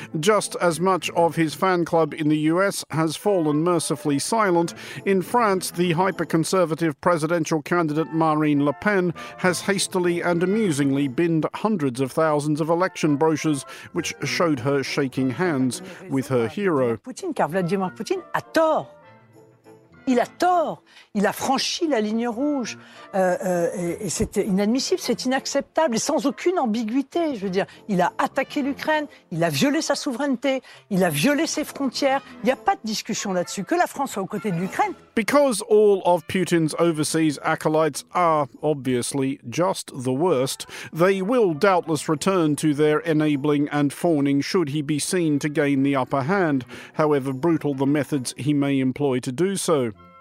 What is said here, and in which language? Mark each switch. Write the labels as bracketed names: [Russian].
[English] Just as much of his fan club in the US has fallen mercifully silent, in France the hyper-conservative presidential candidate Marine Le Pen has hastily and amusingly binned hundreds of thousands of election brochures which showed her shaking hands with her hero. [French] Putin, car Vladimir Putin a tort. Il a tort, il a franchi la ligne rouge, et c'est inadmissible, c'est inacceptable, et sans aucune ambiguïté, je veux dire, il a attaqué l'Ukraine, il a violé sa souveraineté, il a violé ses frontières, il n'y a pas de discussion là-dessus, que la France soit aux côtés de l'Ukraine. [English] Because all of Putin's overseas acolytes are, obviously, just the worst, they will doubtless return to their enabling and fawning should he be seen to gain the upper hand, however brutal the methods he may employ to do so.